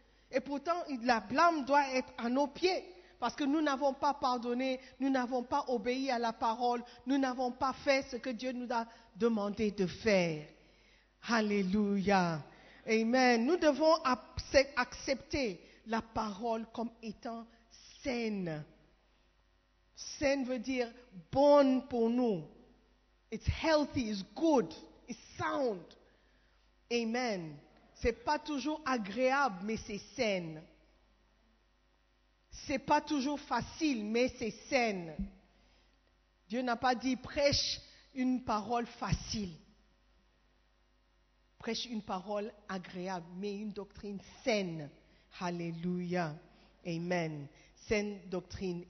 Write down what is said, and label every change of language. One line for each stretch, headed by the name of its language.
French: Et pourtant, la blâme doit être à nos pieds. Parce que nous n'avons pas pardonné, nous n'avons pas obéi à la parole, nous n'avons pas fait ce que Dieu nous a demandé de faire. Alléluia. Amen. Nous devons accepter la parole comme étant saine. Saine veut dire bonne pour nous.
English: It's healthy, it's good, it's sound.
French: Amen. C'est pas toujours agréable, mais c'est saine. C'est pas toujours facile, mais c'est saine. Dieu n'a pas dit prêche une parole facile. Prêche une parole agréable, mais une doctrine saine. Alléluia. Amen. Saine doctrine.